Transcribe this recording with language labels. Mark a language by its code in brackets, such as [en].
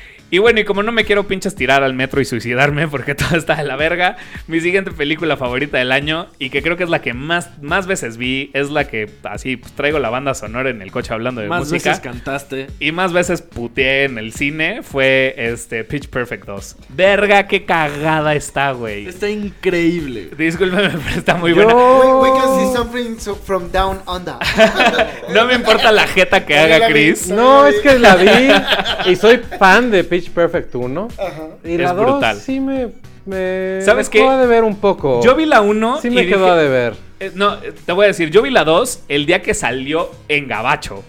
[es] Y bueno, y como no me quiero pinches tirar al metro y suicidarme porque todo está de la verga, mi siguiente película favorita del año y que creo que es la que más veces vi, es la que así pues, traigo la banda sonora en el coche hablando de más música. Más veces cantaste. Y más veces puteé en el cine fue Pitch Perfect 2. Verga, qué cagada está, güey. Está increíble. Discúlpeme, pero está muy buena. [en] We can see something from down under. [es] No me importa la jeta que haga Chris. No, es que la vi y soy fan de Pitch Perfect 1. Ajá. Y es la 2 brutal. Sí me... ¿Sabes qué? Me quedó a deber un poco. Yo vi la 1. Sí me quedó a deber. No, te voy a decir, yo vi la 2 el día que salió en gabacho.